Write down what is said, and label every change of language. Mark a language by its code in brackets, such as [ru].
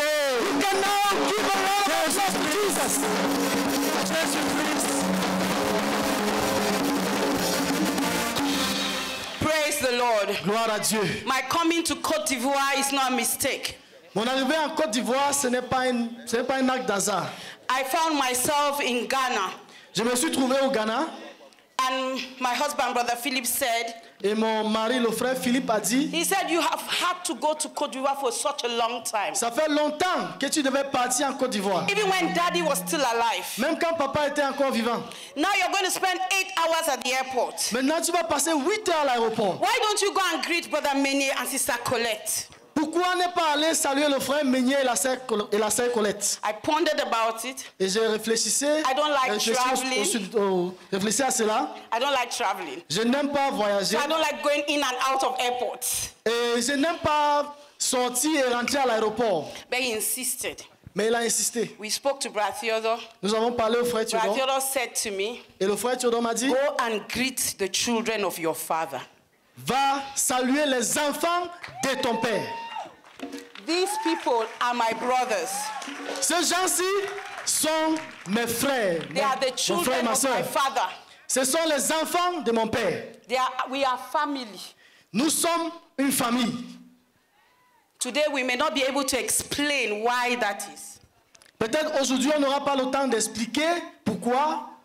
[en] You can now give a lot of Jesus Christ. Jesus Christ. Praise the Lord. [fr] Gloire à Dieu. [en] My coming to Côte d'Ivoire is not a mistake. [fr] Mon arrivée en Côte d'Ivoire, ce n'est pas un acte d'hasard. [en] I found myself in Ghana. [fr] Je me suis trouvé au Ghana. [en] And my husband, Brother Philip, said. [fr] Et mon mari, le frère Philippe, a dit. [en] He said, "You have had to go to Côte d'Ivoire for such a long time." [fr] Ça fait longtemps que tu devais partir en Côte d'Ivoire. [en] Even when Daddy was still alive. [fr] Même quand papa était encore vivant. [en] Now you're going to spend 8 hours at the airport. [fr] Maintenant tu vas passer 8 heures à l'aéroport. [en] Why don't you go and greet Brother Meunier and Sister Colette? [fr] Pourquoi ne pas aller saluer le frère Meunier et la sœur Colette? [en] I pondered about it. [fr] Et je réfléchissais. [en] I don't like traveling. [fr] Réfléchissais à cela. [en] I don't like traveling. [fr] Je n'aime pas voyager. [en] I don't like going in and out of airports. [fr] Et je n'aime pas sortir et rentrer à l'aéroport. [en] But he insisted. [fr] Mais il a insisté. [en] We spoke to Brother Theodore. [fr] Nous avons parlé au frère Theodore. [en] Brother Theodore said to me. [fr] Et le frère Theodore m'a dit. [en] Go and greet the children of your father. [fr] Va saluer les enfants de ton père. [en] These people are my brothers. [fr] Ces gens-ci sont mes frères. [en] They are the children [fr] frère, [en] of my father. [fr] Ce sont les enfants de mon père. [en] We are family. [fr] Nous sommes une famille. [en] Today we may not be able to explain why that is. [fr] Peut-être aujourd'hui on n'aura pas le temps d'expliquer pourquoi.